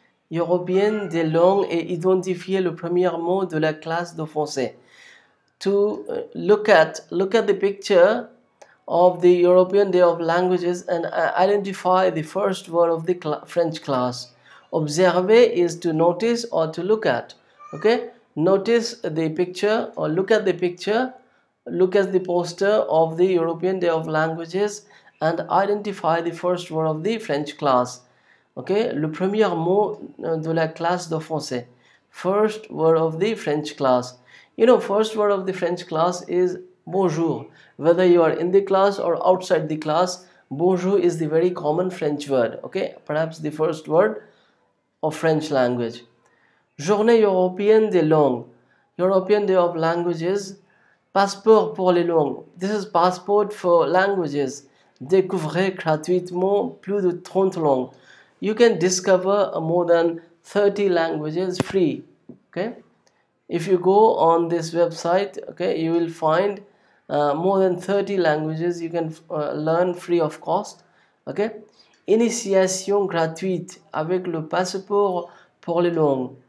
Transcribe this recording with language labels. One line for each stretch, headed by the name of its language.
French: Européenne des langues et identifier le premier mot de la classe de français.
English: To look at the picture of the European Day of Languages and identify the first word of the French class. Observer is to notice or to look at. Okay. Notice the picture or look at the picture, look at the poster of the European Day of Languages and identify the first word of the French class.
French: Okay, le premier mot de la classe de français.
English: First word of the French class. You know, first word of the French class is bonjour. Whether you are in the class or outside the class, bonjour is the very common French word. Okay, perhaps the first word of French language.
French: Journée européenne des langues,
English: European Day of Languages,
French: passeport pour les langues.
English: This is passport for languages.
French: Découvrez gratuitement plus de 30 langues.
English: you can discover more than 30 languages free. Okay, if you go on this website, okay, you will find more than 30 languages you can learn free of cost.
French: Okay, initiation gratuite avec le passeport pour les langues.